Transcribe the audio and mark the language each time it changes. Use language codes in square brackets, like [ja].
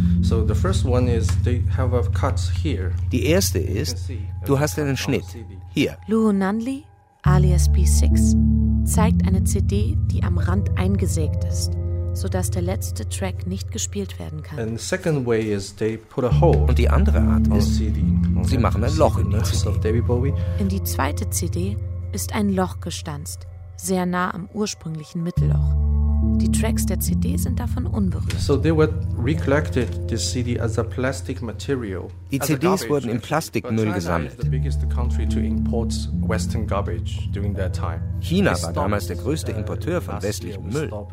[en] So the first one is they have a cut here. [de] Die erste ist, du hast einen Schnitt hier. Luo Nanli, alias B6, zeigt eine CD, die am Rand eingesägt ist, sodass der letzte Track nicht gespielt werden kann. [en] And the second way is they put a hole. [de] Und die andere Art ist, sie machen ein Loch in die CD. [en] Of David Bowie. [de] In die zweite CD ist ein Loch gestanzt, sehr nah am ursprünglichen Mittelloch. Die Tracks der CD sind davon unberührt. [en] So they were recollected the CD as a plastic material. [de] Die CDs wurden im Plastikmüll gesammelt. [en] China is the biggest country to import Western garbage during that time. [de] China war damals der größte Importeur von westlichem Müll.